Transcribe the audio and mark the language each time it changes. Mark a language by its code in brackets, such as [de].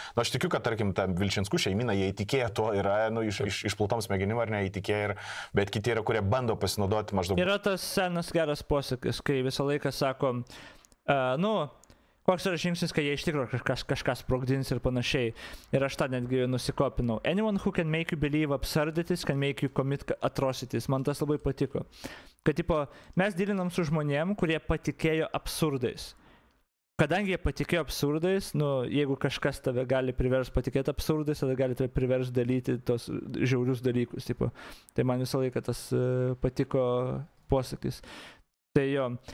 [lt] Nu, aš tikiu, kad, tarkim, ta Vilčinskų šeimina, jie įtikėja tuo, yra, nu, iš plutoms smegenim, ar ne, įtikėja, ir, bet kiti yra, kurie bando pasinaudoti maždaug. Yra tas senas geras posakis, kai visą laiką sako, nu, koks yra žingsnis, kad jie iš tikrųjų kažkas sprogdins ir panašiai. Ir aš tą netgi nusikopinau. [en] Anyone who can make you believe absurdities can make you commit atrocities. [lt] Man tas labai patiko. Kad, tipo, mes dilinam su žmonėm, kurie patikėjo absurdais. Kadangi jie patikėjo absurdais, nu, jeigu kažkas tave gali privers patikėti absurdais, tada gali tave privers dalyti tos žiaurius dalykus. Tipo. Tai man visą laiką tas patiko posakis. Tai jo.